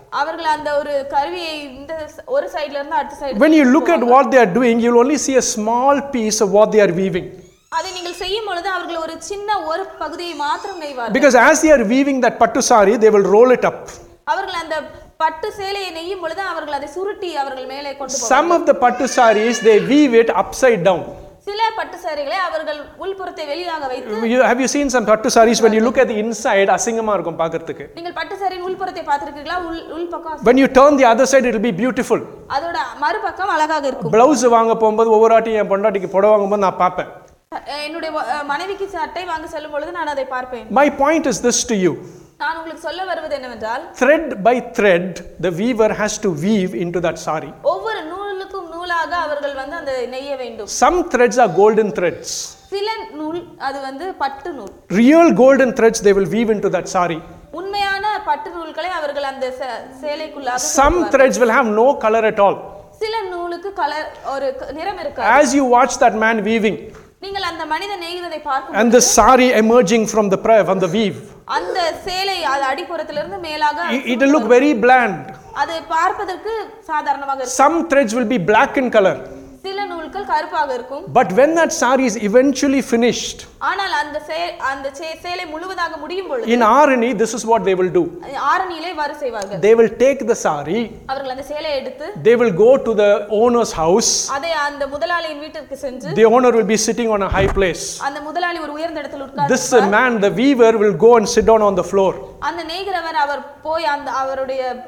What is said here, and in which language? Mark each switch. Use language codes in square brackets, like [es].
[ta] அவர்கள் அந்த ஒரு கருவியை இந்த ஒரு சைடுல இருந்து அடுத்த side [en] when you look at what they are doing you will only see a small piece of what they are weaving. [ta] அதை நீங்கள் செய்யும் பொழுது அவர்கள் ஒரு சின்ன ஒரு பகுதியை மட்டும் நெய்வார்கள். [en] Because as they are weaving that pattu saree they will roll it up. [ta] அவர்கள் அந்த பட்டு சேலையை நெய்யும் பொழுது அவர்கள் அதை சுருட்டி அவர்கள் மேலே கொண்டு போவார்கள். [en] Some of the pattu sarees they weave it upside down. [ta] சில பட்டு சாரிகளை அவர்கள் உள்புறத்தை வெளியாக வைத்து [en] you have you seen some pattu sarees when you look at the inside [ta] அசிங்கமா இருக்கும் பார்க்கிறதுக்கு. நீங்கள் பட்டு சாரியின் உள்புறத்தை பார்த்திருக்கீங்களா? உள்பக்கம் [en] when you turn the other side it will be beautiful. [ta] அதோட மறுபக்கம் அழகாக இருக்கும். ப்ளவுஸ் வாங்க போகும்போது ஒவ்வொரு ஆட்டி என் பொண்டாட்டிக்கு புடவை வாங்கும்போது நான் பார்ப்பேன். என்னுடைய மனைவிக்கு சட்டை வாங்க செல்லும் பொழுது நான் அதை பார்ப்பேன். [en] My point is this to you. [ta] நான் உங்களுக்கு சொல்ல வருவது என்னவென்றால் [en] thread by thread the weaver has to weave into that saree. [ta] ஒவ்வொரு நூலுக்கும் நூலாக அவர்கள் வந்து அந்த நெய்ய வேண்டும். [en] Some threads are golden threads. [ta] சில நூல் அது வந்து பட்டு நூல். [en] Real golden threads they will weave into that saree. [ta] உண்மையான பட்டு நூல்களை அவர்கள் அந்த சேலைக்குள்ளாக [en] Some threads will have no color at all. [ta] சில நூலுக்கு கலர் ஒரு நிறம் இருக்காது. [en] As you watch that man weaving [ta] நீங்கள் அந்த மனிதன் நெய்வதை பார்க்கும் [en] and the saree emerging from the prayer from the weave [ta] அந்த சேலை அது அடிபுறத்திலிருந்து மேலாக [en] it will look very bland [ta] அது பார்ப்பதற்கு சாதாரணமாக இருக்கும் [en] some threads will be black in color [ta] சில நூல்கள் கருப்பாக இருக்கும் [en] but when that saree is eventually finished [ta] ஆனால் அந்த சேலை முழுவதாக முடியும் பொழுது [en] in Arani this is what they will do [ta] ஆரணியிலே வர செய்வார்கள் [en] they will take the saree [ta] அவர்கள் அந்த சேலை எடுத்து [en] they will go to the owner's house [ta] அதே அந்த முதலாளியின் வீட்டிற்கு சென்று [en] the owner will be sitting on a high place [ta] அந்த முதலாளி ஒரு உயர்ந்த இடத்தில் உட்கார்ந்து [en] this man the weaver will go and sit down on the floor [ta] அந்த நெய்கிறவர் அவர் போய் அந்த அவருடைய